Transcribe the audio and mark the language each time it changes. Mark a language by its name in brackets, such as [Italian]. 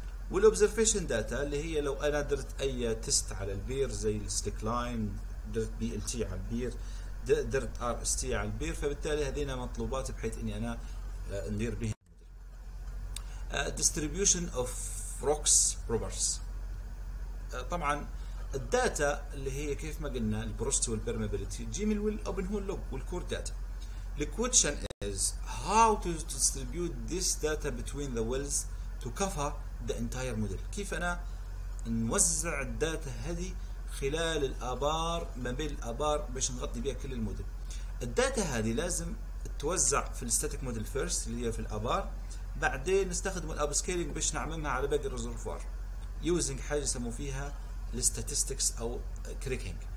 [Arabic] والابزرفيشن داتا اللي هي لو انا درت اي تيست على البير زي الستيك لاين، درت بي ال تي على البير، درت ار اس تي على البير، فبالتالي هذين مطلوبات بحيث اني انا ندير بها [English] distribution of rocks rovers. [Arabic] طبعا الداتا اللي هي كيف ما قلنا البروستي والبرمابيليتي جيميل والاوبن هول لوج والكور داتا. [English] The question is how to distribute this data between the wells to cover the entire model. [Arabic] كيف انا نوزع الداتا هذه خلال الابار ما بين الابار باش نغطي بها كل الموديل. الداتا هذه لازم توزع في الستاتيك موديل فيرست اللي هي في الابار، بعدين نستخدم الاب سكيلينج باش نعممها على باقي الريزرفوار يوزنج حاجه يسمو فيها الاستاتستكس او كريكينج.